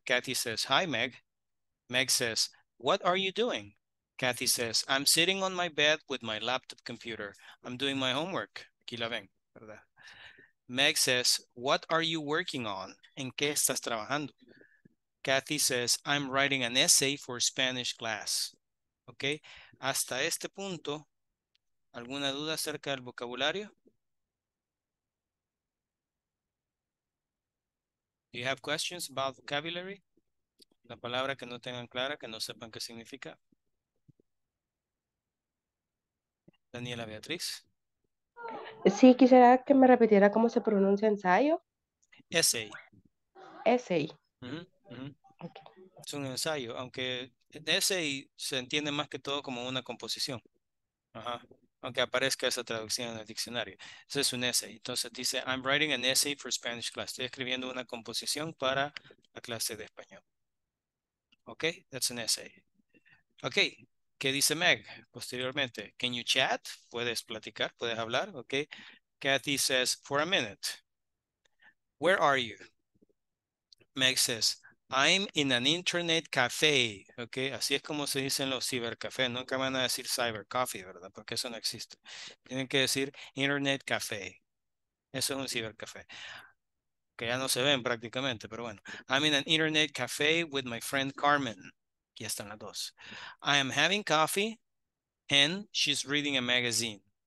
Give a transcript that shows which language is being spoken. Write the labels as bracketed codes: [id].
[en] Kathy says, hi, Meg. Meg says, what are you doing? Kathy says, I'm sitting on my bed with my laptop computer. I'm doing my homework. [es] Aquí la ven, ¿verdad? [en] Meg says, what are you working on? [es] ¿En qué estás trabajando? ¿Qué [en] Kathy says, I'm writing an essay for Spanish class. [es] Ok, hasta este punto, ¿alguna duda acerca del vocabulario? [en] Do you have questions about vocabulary? [es] La palabra que no tengan clara, que no sepan qué significa. Daniela Beatriz. Sí, quisiera que me repitiera cómo se pronuncia ensayo. [en] Essay. Essay. [es] Es un ensayo, aunque essay se entiende más que todo como una composición. Ajá. Aunque aparezca esa traducción en el diccionario. Ese es un essay. Entonces dice, [en] I'm writing an essay for Spanish class. [es] Estoy escribiendo una composición para la clase de español. [en] Ok, that's an essay. Ok, [es] ¿qué dice Meg posteriormente? [en] Can you chat? [es] ¿Puedes platicar? ¿Puedes hablar? [en] Ok. Kathy says, for a minute. Where are you? Meg says, I'm in an internet cafe. [es] Ok, así es como se dicen los cibercafés. Nunca van a decir cyber coffee, ¿verdad? Porque eso no existe. Tienen que decir internet cafe. Eso es un cibercafé. Que ya no se ven prácticamente, pero bueno. [en] I'm in an internet cafe with my friend Carmen. [es] Aquí están las dos. [en] I am having coffee and she's reading a magazine.